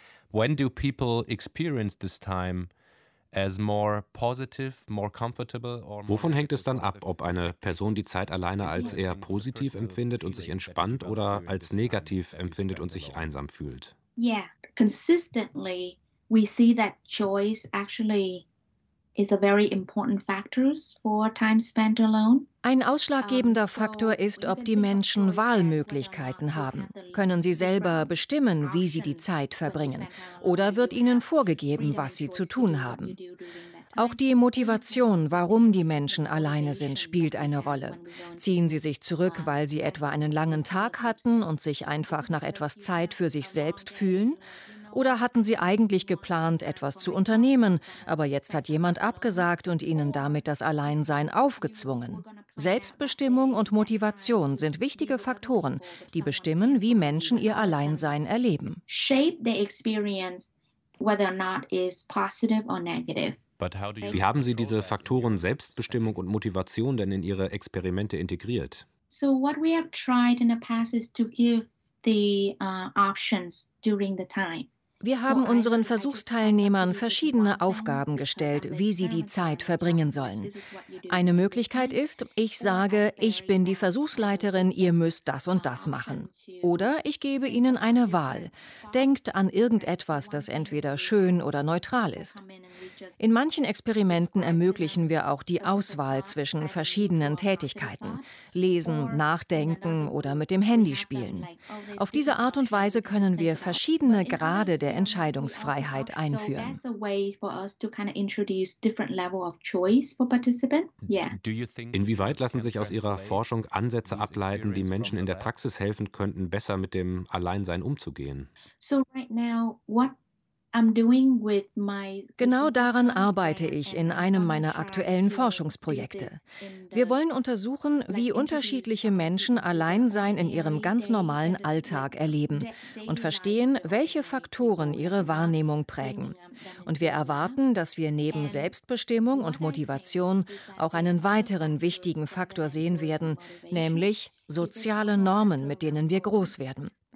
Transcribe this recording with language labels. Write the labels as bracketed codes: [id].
[en] When do people experience this time as more positive, more comfortable or? [de] Wovon hängt es dann ab, ob eine Person die Zeit alleine als eher positiv empfindet und sich entspannt oder als negativ empfindet und sich einsam fühlt? [en] Yeah, consistently we see that choice actually is a very important factor for time spent alone. [de] Ein ausschlaggebender Faktor ist, ob die Menschen Wahlmöglichkeiten haben. Können sie selber bestimmen, wie sie die Zeit verbringen? Oder wird ihnen vorgegeben, was sie zu tun haben? Auch die Motivation, warum die Menschen alleine sind, spielt eine Rolle. Ziehen sie sich zurück, weil sie etwa einen langen Tag hatten und sich einfach nach etwas Zeit für sich selbst fühlen? Oder hatten sie eigentlich geplant, etwas zu unternehmen, aber jetzt hat jemand abgesagt und ihnen damit das Alleinsein aufgezwungen? Selbstbestimmung und Motivation sind wichtige Faktoren, die bestimmen, wie Menschen ihr Alleinsein erleben. [en] Shape the experience, whether or not is positive or negative. [de] Wie haben Sie diese Faktoren Selbstbestimmung und Motivation denn in Ihre Experimente integriert? [en] So what we have tried in the past is to give the options during the time. [de] Wir haben unseren Versuchsteilnehmern verschiedene Aufgaben gestellt, wie sie die Zeit verbringen sollen. Eine Möglichkeit ist, ich sage, ich bin die Versuchsleiterin, ihr müsst das und das machen. Oder ich gebe ihnen eine Wahl. Denkt an irgendetwas, das entweder schön oder neutral ist. In manchen Experimenten ermöglichen wir auch die Auswahl zwischen verschiedenen Tätigkeiten. Lesen, nachdenken oder mit dem Handy spielen. Auf diese Art und Weise können wir verschiedene Grade der Entscheidungsfreiheit einführen. [en] So that's a way for us to kind of introduce different level of choice for participants. Yeah. [de] Inwieweit lassen sich aus Ihrer Forschung Ansätze ableiten, die Menschen in der Praxis helfen könnten, besser mit dem Alleinsein umzugehen? [en] So right now, what I'm doing with my. [de] Genau daran arbeite ich in einem meiner aktuellen Forschungsprojekte. Wir wollen untersuchen, wie unterschiedliche Menschen Alleinsein in ihrem ganz normalen Alltag erleben und verstehen, welche Faktoren ihre Wahrnehmung prägen. Und wir erwarten, dass wir neben Selbstbestimmung und Motivation auch einen weiteren wichtigen Faktor sehen werden, nämlich soziale Normen, mit denen wir groß werden.